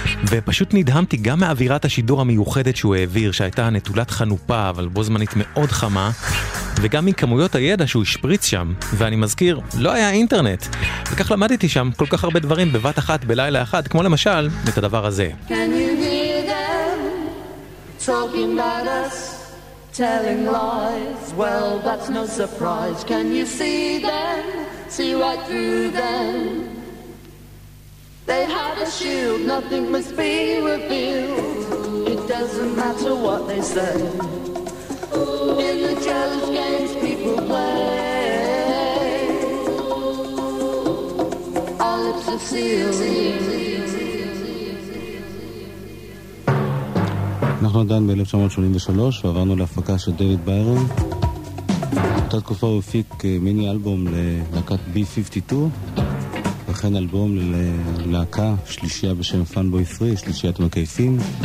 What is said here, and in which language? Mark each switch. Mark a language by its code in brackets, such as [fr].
[he] ופשוט נדהמתי גם מאווירת השידור המיוחדת שהוא העביר, שהייתה נטולת חנופה, אבל בו זמנית מאוד חמה, וגם מכמויות הידע שהוא השפריץ שם. ואני מזכיר, לא היה אינטרנט. וכך למדתי שם כל כך הרבה דברים בבת אחת, בלילה אחת, כמו למשל את הדבר הזה. [en] Can you hear them talking about us? Telling lies, well, that's no surprise. Can you see them? See right through them. They have a shield, nothing must be revealed. It doesn't matter what they say. In the jealous games people play, our lips are sealed. [he] אנחנו עדיין ב-1983 ועברנו להפקה של דיוויד ביירון. אותה תקופה הוא הפיק מיני אלבום ללהקת B-52, וכן אלבום ללהקה שלישייה בשם פאנבוי 3, שלישיית מקייפים.